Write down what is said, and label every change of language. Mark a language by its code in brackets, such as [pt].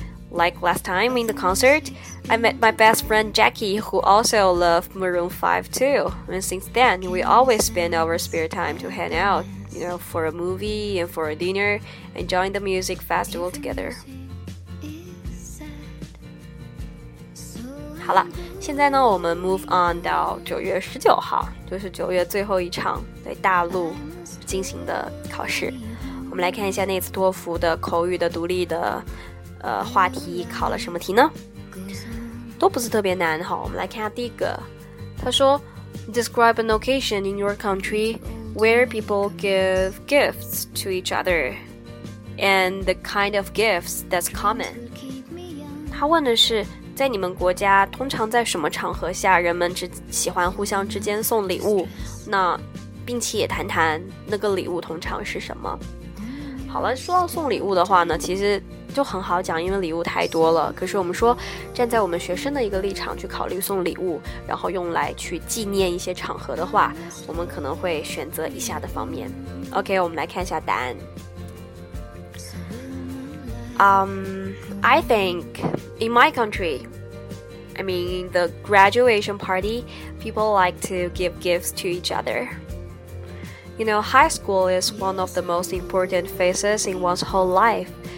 [en] Like last time in the concert, I met my best friend Jackie, who also loved Maroon 5 too. And since then, we always spend our spare time to hang out, you know, for a movie and for a dinner, and join the music festival together. [zh] 好了，现在呢，我们 [en] move on [zh] 到九月十九号，就是九月最后一场在大陆进行的考试。我们来看一下那次托福的口语的独立的话题考了什么题呢？都不是特别难哈。我们来看下第一个，他说 [en] Describe an occasion in your country where people give gifts to each other and the kind of gifts that's common. [zh] 他问的是在你们国家通常在什么场合下人们只喜欢互相之间送礼物，那并且也谈谈那个礼物通常是什么。好了，说到送礼物的话呢，其实就很好讲，因为礼物太多了。可是我们说站在我们学生的一个立场去考虑送礼物，然后用来去纪念一些场合的话，我们可能会选择以下的方面。 OK， 我们来看一下答案。 [en] I think in my country, I mean the graduation party, people like to give gifts to each other. You know, high school is one of the most important phases in one's whole life.